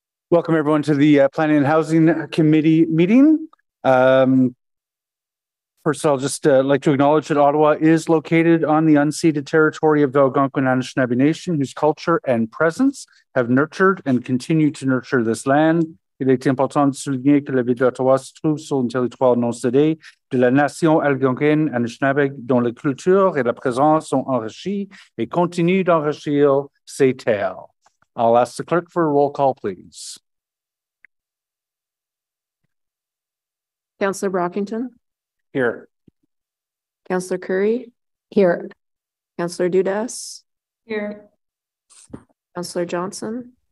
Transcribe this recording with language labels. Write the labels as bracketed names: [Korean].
[English] Welcome, everyone, to the Planning and Housing Committee meeting. First, I'll just like to acknowledge that Ottawa is located on the unceded territory of the Algonquin Anishinaabe Nation, whose culture and presence have nurtured and continue to nurture this land. [French] Il est important de souligner que la ville d'Ottawa se trouve sur un territoire non cédé de la nation Algonquin Anishinaabe, dont la culture et la présence sont enrichies et continuent d'enrichir ces terres. [English] I'll ask the clerk for a roll call, please. Councillor Brockington? Here. Councillor Curry? Here. Councillor Dudas? Here. Councillor Johnson?